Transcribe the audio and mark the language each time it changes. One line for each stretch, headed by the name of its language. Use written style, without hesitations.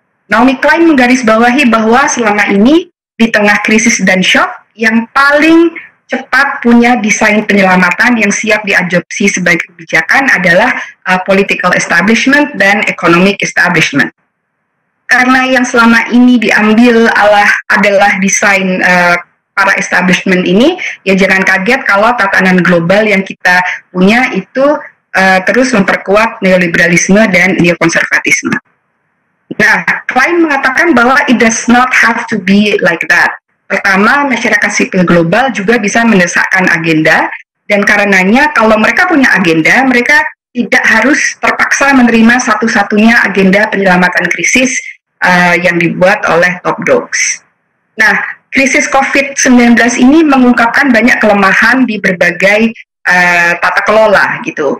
Indonesian: Naomi Klein menggarisbawahi bahwa selama ini di tengah krisis dan shock, yang paling cepat punya desain penyelamatan yang siap diadopsi sebagai kebijakan adalah political establishment dan economic establishment. karena yang selama ini diambil adalah desain para establishment ini, ya jangan kaget kalau tatanan global yang kita punya itu terus memperkuat neoliberalisme dan neokonservatisme. Nah, Klein mengatakan bahwa
English: it does not have to be like that.
Indonesian: Pertama, masyarakat sipil global juga bisa mendesakkan agenda, dan karenanya kalau mereka punya agenda, mereka tidak harus terpaksa menerima satu-satunya agenda penyelamatan krisis yang dibuat oleh
English: top dogs.
Indonesian: Nah, krisis COVID-19 ini mengungkapkan banyak kelemahan di berbagai tata kelola gitu.